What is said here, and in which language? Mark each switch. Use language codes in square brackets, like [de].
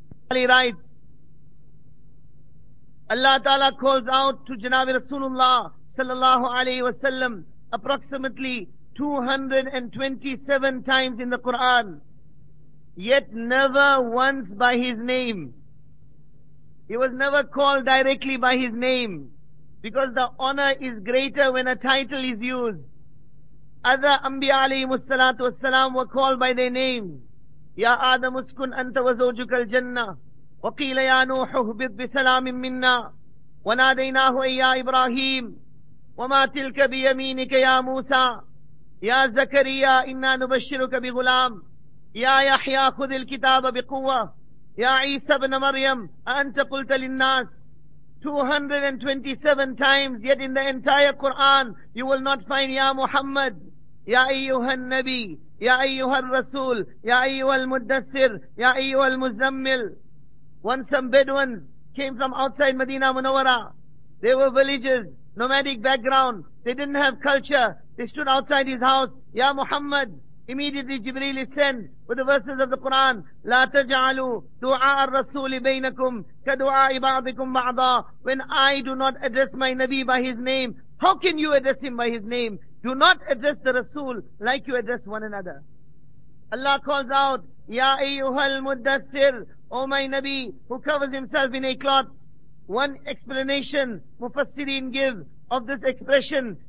[en] Ali writes, Allah Ta'ala calls out to Janabi Rasulullah sallallahu alayhi wasallam approximately 227 times in the Quran, yet never once by His name. He was never called directly by His name, because the honor is greater when a title is used. Other Anbiya alayhimu salatu wassalam were called by their names. [ar] Ya Adam uskun anta wa zawjuka al-jannah. وقيل يا نوح اهبط بسلام منا وناديناه اي يا ابراهيم وما تلك بيمينك يا موسى يا زكريا انا نبشرك بغلام يا يحيى خذ الكتاب بقوه يا عيسى ابن مريم انت قلت للناس. [en] 227 times, yet in the entire Quran you will not find [ar] يا محمد يا ايها النبي يا ايها الرسول يا ايها المدثر يا ايها المزمل. [en] Once some Bedouins came from outside Medina Munawwara. They were villages, nomadic background. They didn't have culture. They stood outside his house. Ya Muhammad, Immediately Jibreel is sent with the verses of the Quran. [ar] لا تجعلوا دعاء الرسول بينكم كدعاء بعضكم بعضا. [en] When I do not address my Nabi by his name, how can you address him by his name? Do not address the Rasul like you address one another. Allah calls out, [ar] Ya ayyuhal mudassir, [en] O my Nabi, who covers himself in a cloth. One explanation Mufassirin give of this expression.